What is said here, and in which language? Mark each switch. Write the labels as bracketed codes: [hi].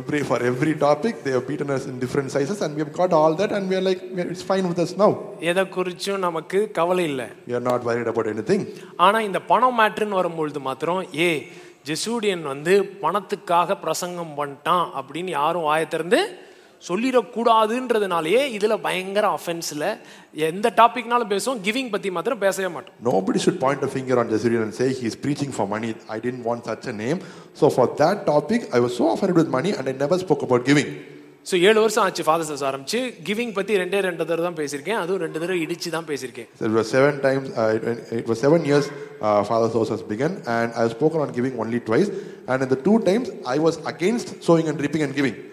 [en] For every topic, they have beaten us in different sizes and we have got all that and we are like, it's fine with us now. [ta] எதை குறிச்சும் நமக்கு கவலை இல்லை. [en] We are not worried about anything. [ta] ஆனா இந்த பணம் மேட்டர்ன்னு வரும்பொழுது மாத்திரம், ஏ ஜெசூடியன் வந்து பணத்துக்காக பிரசங்கம் பண்ணிட்டான் அப்படின்னு யாரும் வாயத்திறந்து சொல்லிடக்கூடாதுன்றதுனாலயே இதுல பயங்கர அஃபென்ஸ்ல எந்த டாபிக்னாலும் பேசுவோம், கிவிங் பத்தி மாத்திரம் பேசவே மாட்டோம். [en] Nobody should point a finger on Jesurian and say he is preaching for money. I didn't want such a name. So for that topic, I was so offended with money and I never spoke about giving. [ta] So 7 வருஷம் ஆச்சு fathers as ஆரம்பிச்சு giving பத்தி ரெண்டு தடவை தான் பேசியிருக்கேன், அதுவும் ரெண்டு தடவை இடிச்சு தான் பேசியிருக்கேன். [en] So it was 7 times, it was 7 years Father's House has begun and I have spoken on giving only twice and in the two times I was against sowing and reaping and giving.